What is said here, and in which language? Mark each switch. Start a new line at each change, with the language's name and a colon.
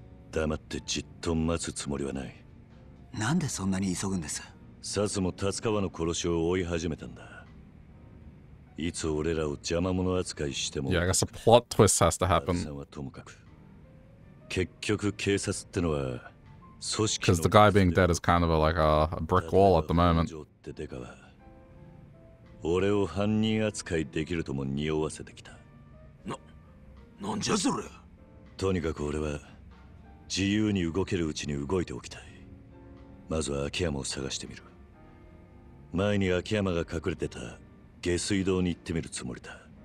Japanese: 黙ってじっと待つつもりはない。なんでそんなに急ぐんです。サスも辰川の殺しを追い始めたんだ。いつ俺らを邪魔者扱いしても。
English: Yeah, I guess a plot twist has to happen.
Japanese: さんはともかく結局警察ってのは組織の。
English: Because the guy being dead is kind of like a brick wall at the moment.
Japanese: 俺を犯人扱いできるとも匂わせてきた。なんじゃそれ。とにかく俺は自由に動けるうちに動いておきたい。まずは秋山を探してみる。前に秋山が隠れてた下水道に行ってみるつもりだ。